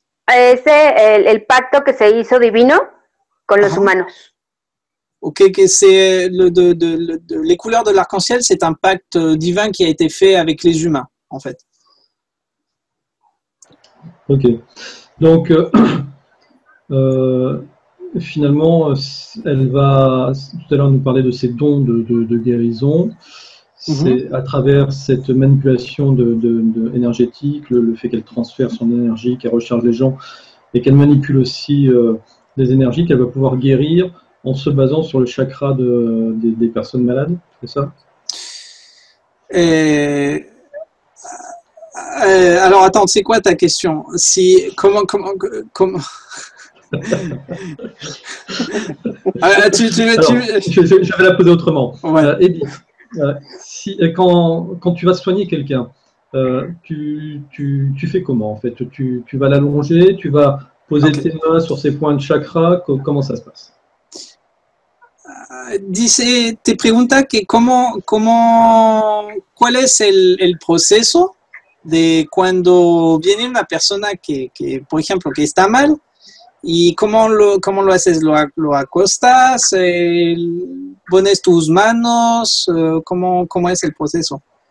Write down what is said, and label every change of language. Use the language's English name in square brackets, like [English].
[Spanish] Es el pacto que se hizo divino con los humanos. [French] Ok, que c'est les couleurs de l'arc-en-ciel, c'est un pacte divin qui a été fait avec les humains, en fait. Ok. Donc, finalement, elle va tout à l'heure nous parler de ses dons de guérison. C'est à travers cette manipulation de énergétique, le fait qu'elle transfère son énergie, qu'elle recharge les gens et qu'elle manipule aussi les énergies, qu'elle va pouvoir guérir en se basant sur le chakra des personnes malades, c'est ça? Alors attends, c'est quoi ta question? Si comment je vais la poser autrement. Ouais. Quand tu vas soigner quelqu'un, tu fais comment en fait? Tu vas l'allonger, tu vas poser tes mains sur ses points de chakra, comment ça se passe? [Spanish] Dice, te pregunta que cuál es el proceso de cuando viene una persona que por ejemplo que está mal y cómo lo haces, lo acostas, pones tus manos, cómo es el proceso.